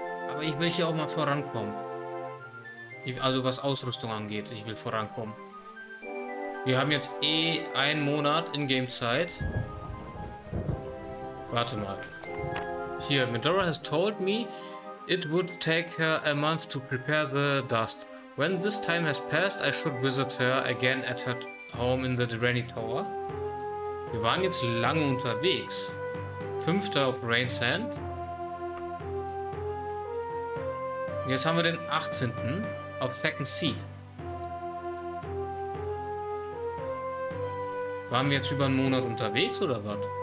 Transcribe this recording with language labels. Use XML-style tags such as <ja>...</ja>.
<de>Aber ich will hier auch mal vorankommen. Also was Ausrüstung angeht, ich will vorankommen. Wir haben jetzt eh einen Monat Ingame-Zeit. Warte mal.</de> <en>Hier, Medora has told me it would take her a month to prepare the dust. When this time has passed, I should visit her again at her home in the Draeny Tower.</en> <de>Wir waren jetzt lange unterwegs. Fünfter auf Rain's Hand. Jetzt haben wir den 18. auf Second Seat. Waren wir jetzt über einen Monat unterwegs oder was?</de>